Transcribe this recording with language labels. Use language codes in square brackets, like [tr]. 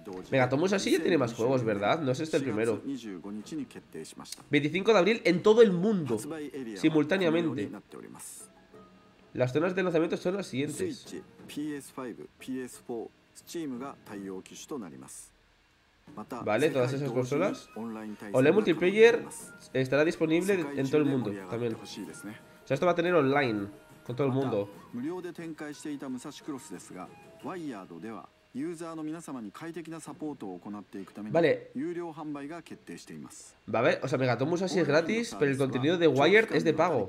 [es] Megaton Musashi ya tiene más juegos, ¿verdad? No es este el primero. 25 de abril en todo el mundo, simultáneamente. Las zonas de lanzamiento son las siguientes. [ja] Switch, PS5, PS4, Steam が対応機種となります。また、 [es] vale, todas esas consolas. Online multiplayer estará disponible en todo el mundo también. O sea, esto va a tener online con todo el mundo. [ja] 無料で展開していた武蔵クロスですが、ワイヤードではユーザーの皆様に快適なサポートを行っていくために有料販売が決定しています。 [es] Vale, o sea, Megaton Musashi es gratis, pero el contenido de Wired es de pago.